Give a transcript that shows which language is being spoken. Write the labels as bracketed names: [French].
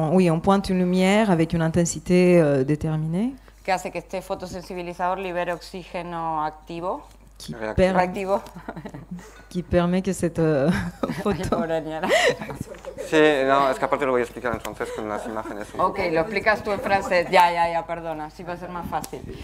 [French] On pointe une lumière avec une intensité déterminée. [Spanish] Que hace que este fotosensibilizador libere oxígeno activo, reactivo. [French] Qui permet que cette photo... [Spanish] Sí, no, es que aparte lo voy a explicar en francés con las imágenes. Ok, lo explicas tú en francés. Ya, perdona, así va a ser más fácil.